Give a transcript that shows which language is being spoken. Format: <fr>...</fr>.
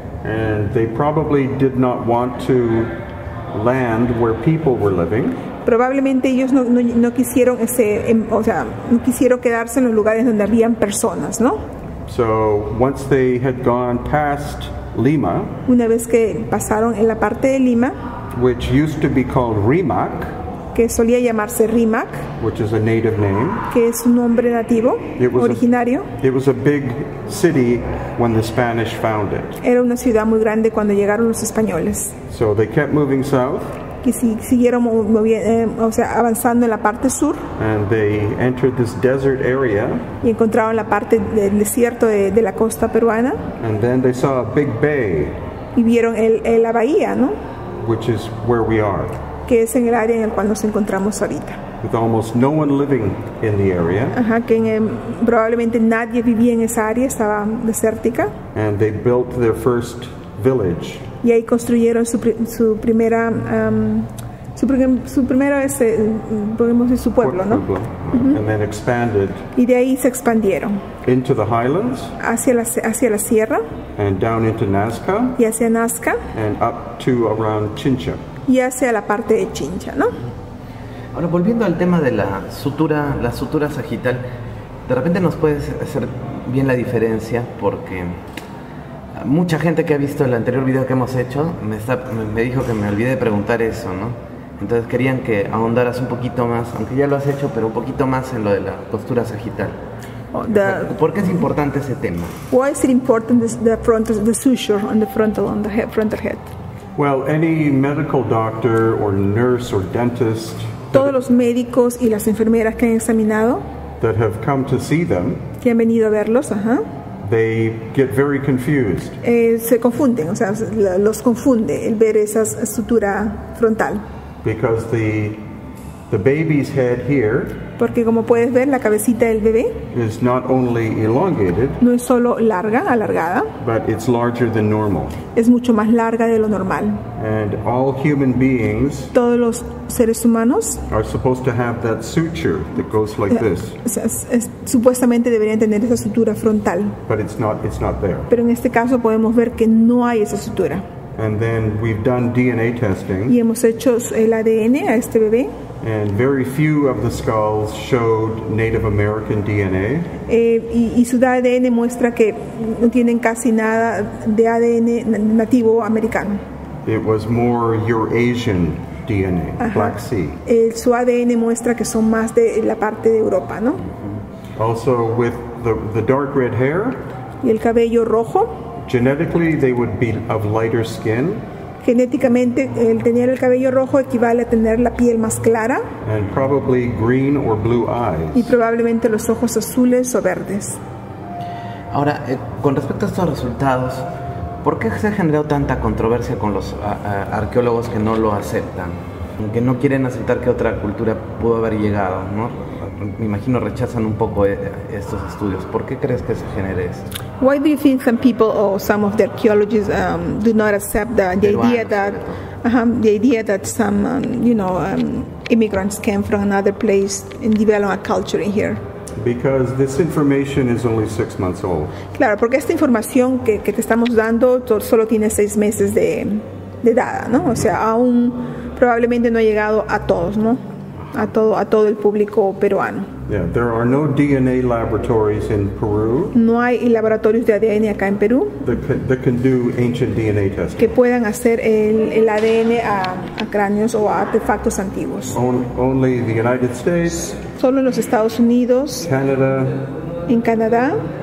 <en>And they probably did not want to land where people were living.</en> <es>Probablemente ellos no quisieron no quisieron quedarse en los lugares donde habían personas, ¿no?</es> <en>So once they had gone past Lima.</en> <es>Una vez que pasaron en la parte de Lima.</es> <en>Which used to be called Rimac.</en> <es>Que solía llamarse Rimac,</es> <en>which is a native name,</en> <es>que es un nombre nativo, originario.</es> <en>It was a big city when the Spanish found it.</en> <es>Era una ciudad muy grande cuando llegaron los españoles.</es> <en>So they kept moving south.</en> <es>Y siguieron avanzando en la parte sur.</es> <en>And they entered this desert area.</en> <es>Y encontraron la parte del desierto de la costa peruana.</es> <en>And then they saw a big bay.</en> <es>Y vieron la bahía, ¿no?</es> <en>Which is where we are.</en> <es>Que es en el área en el cual nos encontramos ahorita.</es> <en>With almost no one living in the area.</en> <es>Ajá, que probablemente nadie vivía en esa área, estaba desértica.</es> <en>And they built their first village.</en> <es>Y ahí construyeron su pueblo, ¿no? Pueblo.</es> <en>Uh-huh. And then expanded.</en> <es>Y de ahí se expandieron.</es> <en>Into the highlands.</en> <es>Hacia la sierra.</es> <en>And down into Nazca.</en> <es>Y hacia Nazca.</es> <en>And up to around Chincha.</en> <es>Y hacia la parte de Chincha, ¿no? Ahora, volviendo al tema de la sutura sagital, de repente nos puedes hacer bien la diferencia, porque mucha gente que ha visto el anterior video que hemos hecho me dijo que me olvidé de preguntar eso, ¿no? Entonces querían que ahondaras un poquito más, aunque ya lo has hecho, pero un poquito más en lo de la postura sagital. ¿Por qué es importante ese tema?</es> <en>Why is it important the suture on the frontal, on the head, frontal head? Well, any medical doctor or nurse or dentist.</en> <es>Todos los médicos y las enfermeras que han examinado.</es> <en>That have come to see them.</en> <es>Que han venido a verlos, ajá.</es> <en>They get very confused.</en> <es>Se confunden, o sea, los confunde el ver esa sutura frontal.</es> <en>Because the baby's head here.</en> <es>Porque como puedes ver, la cabecita del bebé.</es> <en>Is not only elongated.</en> <es>No es solo larga, alargada.</es> <en>But it's larger than normal.</en> <es>Es mucho más larga de lo normal.</es> <en>And all human beings.</en> <es>Todos los seres humanos.</es> <en>Are supposed to have that suture that goes like this.</en> <es>Supuestamente deberían tener esa sutura frontal.</es> <en>But it's not there.</en> <es>Pero en este caso podemos ver que no hay esa sutura.</es> <en>And then we've done DNA testing.</en> <es>Y hemos hecho el ADN a este bebé.</es> <en>And very few of the skulls showed Native American DNA.</en> <es>Y su ADN muestra que no tienen casi nada de ADN nativo americano.</es> <en>It was more Eurasian DNA, Black Sea.</en> <es>Su ADN muestra que son más de la parte de Europa, ¿no?</es> <en>Also with the dark red hair.</en> <es>Y el cabello rojo.</es> <en>Genetically, they would be of lighter skin.</en> <es>Genéticamente, el tener el cabello rojo equivale a tener la piel más clara.</es> <en>And probably green or blue eyes.</en> <es>Y probablemente los ojos azules o verdes. Ahora, con respecto a estos resultados, ¿por qué se ha generado tanta controversia con los arqueólogos que no lo aceptan? Que no quieren aceptar que otra cultura pudo haber llegado, ¿no? Me imagino rechazan un poco estos estudios. ¿Por qué crees que se genere eso?</es> <en>Why do you think some people or some of the archaeologists do not accept the idea that some immigrants came from another place and develop a culture in here? Because this information is only 6 months old.</en> <es>Claro, porque esta información que te estamos dando solo tiene 6 meses de edad, ¿no? O sea, aún probablemente no ha llegado a todos, ¿no? A todo el público peruano.</es> <en>Yeah, there are no DNA laboratories in Peru.</en> <es>No hay laboratorios de ADN acá en Perú.</es> <en>That can do ancient DNA testing.</en> <es>Que puedan hacer el ADN a cráneos o a artefactos antiguos.</es> <en>Only the United States.</en> <es>Solo en los Estados Unidos.</es> <en>Canada.</en> <es>En Canadá.</es>